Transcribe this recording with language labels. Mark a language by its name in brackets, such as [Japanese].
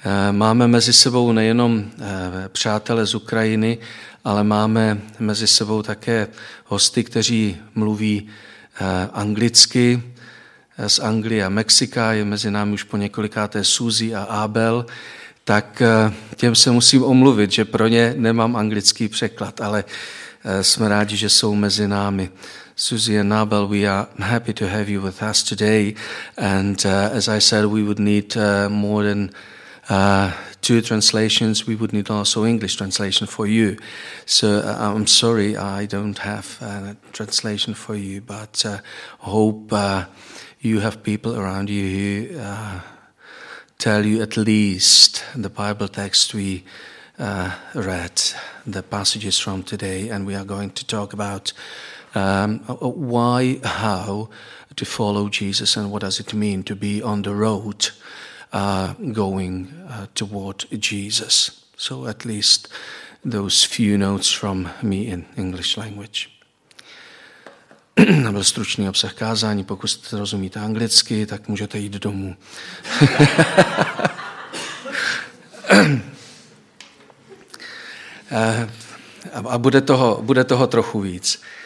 [Czech] Máme mezi sebou nejenom přátele z Ukrajiny, ale máme mezi sebou také hosty, kteří mluví anglicky z Anglie a Mexika, je mezi námi už po několikáté Suzy a Abel, tak těm se musím omluvit, že pro ně nemám anglický překlad, ale jsme rádi, že jsou mezi námi. [English] Suzy and Abel, we are happy to have you with us today, and as I said, we would need more than two translations, we would need also English translation for you. So I'm sorry, I don't have a translation for you, but hope you have people around you who tell you at least the Bible text we read, the passages from today, and we are going to talk about why, how to follow Jesus and what does it mean to be on the road going toward Jesus. So at least those few notes from me in English language. [Czech] To byl stručný obsah kázání. Pokud jste rozumíte anglicky, tak můžete jít domů. A bude toho trochu víc.